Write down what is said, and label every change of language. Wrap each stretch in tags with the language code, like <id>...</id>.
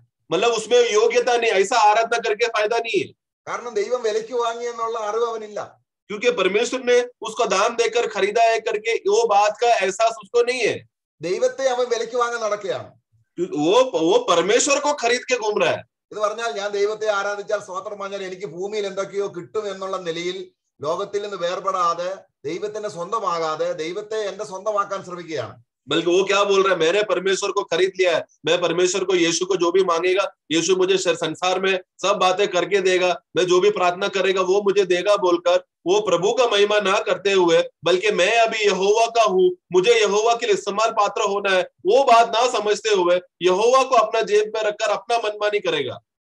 <hi>मतलब उसमें योग्यता नहीं, ऐसा आराधना करके फायदा नहीं है, कारण दैवम</hi> <ml>വിലയ്ക്ക് വാങ്ങി എന്നുള്ള അറിവ് അവനില്ല,</ml> <hi>क्योंकि परमेश्वर ने उसको दाम देकर खरीदा है करके वो बात का एहसास उसको नहीं है. दैवते</hi> <ml>അവൻ വിലയ്ക്ക് വാങ്ങാൻ നടക്കയാണ്,</ml> <hi>वो परमेश्वर को खरीद के घूम रहा है.</hi> <ml>ഇത് പറഞ്ഞാൽ ഞാൻ ദൈവത്തെ ആരാധിച്ചാൽ സ്തോത്രം പറഞ്ഞാൽ എനിക്ക് ഭൂമിയിൽ എന്തൊക്കെയോ കിട്ടും എന്നുള്ള നിലയിൽ ലോകത്തിൽ നിന്ന് വേർപെടാതെ ദൈവത്തിന്റെ സ്വന്തമാകാതെ ദൈവത്തെ എന്റെ സ്വന്തമാക്കാൻ ശ്രമിക്കുകയാണ്.</ml> <hi>बल्कि वो क्या बोल रहा है, मैंने परमेश्वर को खरीद लिया है, मैं परमेश्वर को यीशु को जो भी मांगेगा यीशु मुझे संसार में सब बातें करके देगा, मैं जो भी प्रार्थना करेगा वो मुझे देगा बोलकर वो प्रभु का महिमा ना करते हुए, बल्कि मैं अभी यहोवा का हूँ, मुझे यहोवा के लिए इस्तेमाल पात्र होना है, वो बात ना समझते हुए यहोवा को अपना जेब में रखकर अपना मनमानी करेगा.</hi>